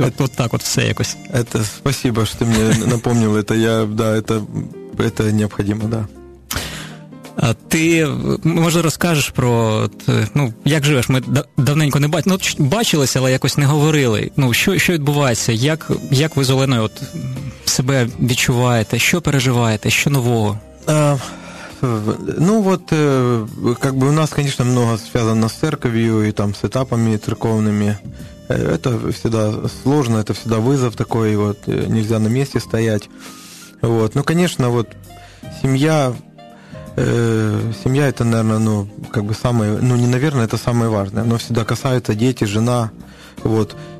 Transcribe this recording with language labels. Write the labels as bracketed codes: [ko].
[ru] Вот, вот так вот все якось. Это спасибо, что ты мне напомнил. Это я, да, это... Это необходимо, да. А ты, может, расскажешь про, ну, как живешь? Мы давненько [uk] не бачили, ну, бачилися, але якось не говорили. Ну, що відбувається? Як ви з Оленою от себе відчуваєте? Що переживаєте? Що нового? [ru] Ну, вот, как бы у нас, конечно, много связано с церковью и там с этапами церковными. Это всегда сложно, это всегда вызов такой, вот, нельзя на месте стоять. Вот. Ну, конечно, вот семья, семья это, наверное, ну, как бы самое, ну, не наверное, это самое важное, но всегда касается дети, жена, вот.